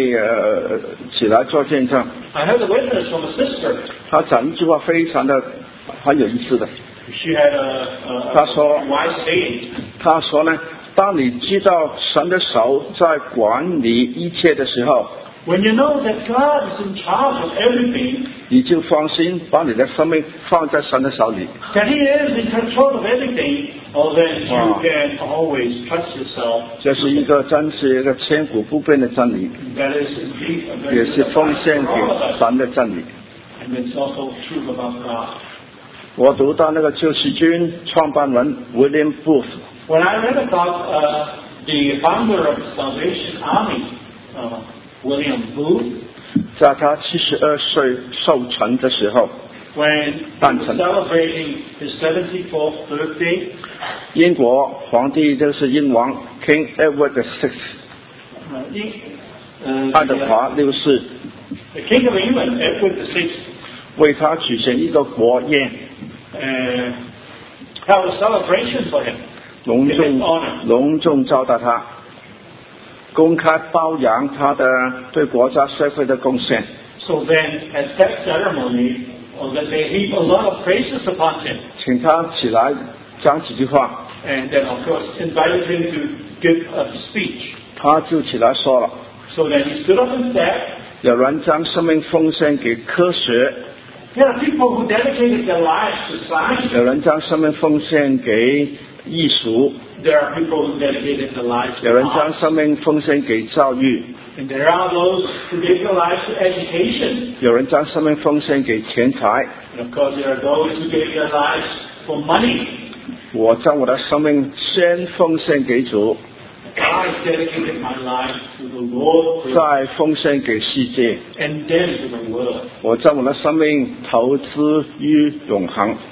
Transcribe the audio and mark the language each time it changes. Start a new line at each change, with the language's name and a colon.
Chinese: 我听到一个姐妹起来做见证。
English: I heard a witness from a sister.
Chinese: 她讲一句话非常的很有意思的。
English: She had a wise saying.
Chinese: 她说呢, 当你知道神的手在管理一切的时候,
English: When you know that God is in charge of everything,
Chinese: 你就放心把你的生命放在神的手里,
English: that He is in control of everything, then you can always trust yourself.
Chinese: 这是一个千古不变的真理,
English: that is indeed
Chinese: 也是奉献给神的真理,
English: and it's also true about God.
Chinese: 我读到那个救世军创办人 William Booth,
English: When I read about the founder of the Salvation Army, William Booth,
Chinese: 在他72岁寿辰的时候,
English: when he was celebrating his 74th birthday,
Chinese: 英国皇帝就是英王 King Edward VI, 爱德华六世,
English: the King of England, Edward VI,
Chinese: 为他举行一个国宴,
English: have a celebration for him.
Chinese: 隆重招待他, 公开褒扬他的对国家社会的贡献。
English: So then, at that ceremony, they heap a lot of praises upon him.
Chinese: 请他起来讲几句话,
English: and then, of course, invited him to give a speech.
Chinese: 他就起来说了,
English: So then he stood up and said,
Chinese: 有人将生命奉献给科学,
English: There are people who dedicated their lives to science.
Chinese: 有人将生命奉献给 艺术,
English: there are people who dedicated their lives to God.
Chinese: 有人将生命奉献给教育,
English: and there are those who gave their lives to education.
Chinese: 有人将生命奉献给钱财,
English: and of course there are those who gave their lives for money.
Chinese: 我将我的生命先奉献给主,
English: I dedicated my life to the Lord,
Chinese: 再奉献给世界,
English: and then to the world.
Chinese: 我将我的生命投资于永恒,